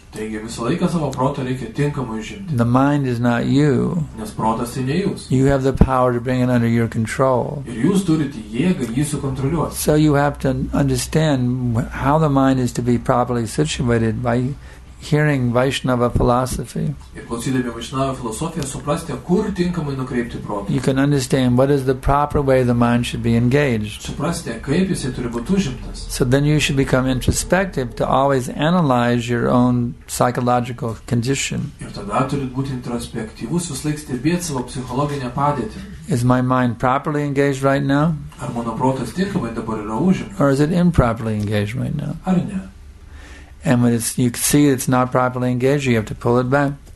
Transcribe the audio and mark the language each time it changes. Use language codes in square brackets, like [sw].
[lt] Taigi visą laiką savo protą reikia tinkamai užimti. [en] The mind is not you. [lt] Nes protas tai ne jūs. [en] You have the power to bring it under your control. [lt] Ir jūs turite jėgą jį sukontroliuoti. [en] So you have to understand how the mind is to be properly situated by hearing Vaishnava philosophy. [lt] Ir klausydami Vaishnava filosofiją suprasti, kur tinkamai nukreipti protą. [en] You can understand what is the proper way the mind should be engaged. [lt] Suprasti, kaip jisai turi būti užimtas. [en] So then you should become introspective to always analyze your own psychological condition. [lt] Ir tada turi būti introspektyvus, vis laik stebėti savo psichologinę padėtį. [en] Is my mind properly engaged right now? [lt] Ar mano protas tinkamai dabar yra užimtas? [en] Or is it improperly engaged right now? [lt] Ar ne? [en] And when it's, you see it's not properly engaged, you have to pull it back.